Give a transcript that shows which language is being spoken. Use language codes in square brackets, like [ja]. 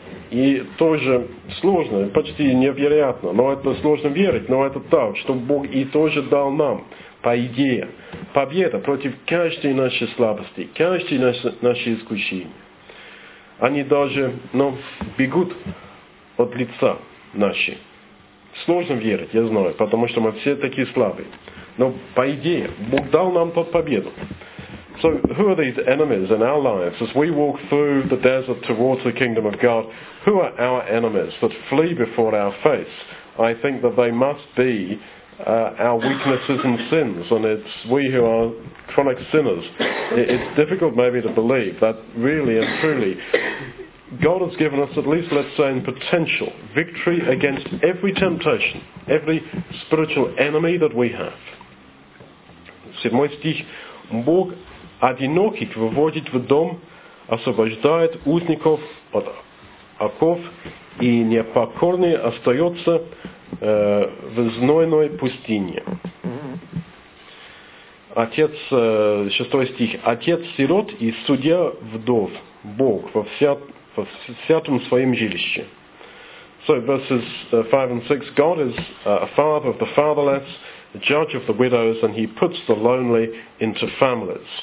[ru] И тоже сложно, почти невероятно, но это сложно верить, но это так, что Бог и тоже дал нам, по идее, победа против каждой нашей слабости, каждой нашей искушения. Они даже, ну, бегут от лица наши. Сложно верить, я знаю, потому что мы все такие слабые. Но по идее, Бог дал нам тут победу. [en] So, who are these enemies in our lives as we walk through the desert towards the kingdom of God? Who are our enemies that flee before our face? I think that they must be our weaknesses and sins, and it's we who are chronic sinners. It's difficult maybe to believe that really and truly God has given us at least, let's say, in potential, victory against every temptation, every spiritual enemy that we have. [ru] Седьмой стих. Бог одиноких выводит в дом, освобождает узников от оков, и непокорный остается в знойной пустыне. Отец, шестой стих. Отец сирот и судья вдов, Бог во всяком своем жилище. [en] So verses 5 and 6. God is a father of the fatherless, a judge of the widows, and he puts the lonely into families.